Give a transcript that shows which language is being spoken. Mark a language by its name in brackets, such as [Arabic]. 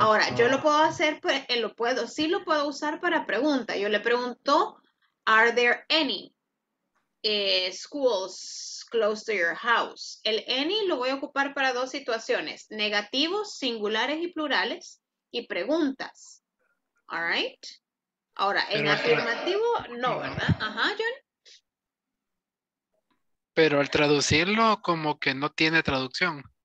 [Spanish] Ahora, yo lo puedo hacer, pues, lo puedo usar para pregunta. Yo le pregunto, [English] are there any schools close to your house? [Spanish] El any lo voy a ocupar para dos situaciones, negativos, singulares y plurales, y preguntas. All right? Ahora, en afirmativo, no, ¿verdad? Ajá, John. Pero al traducirlo, como que no tiene traducción.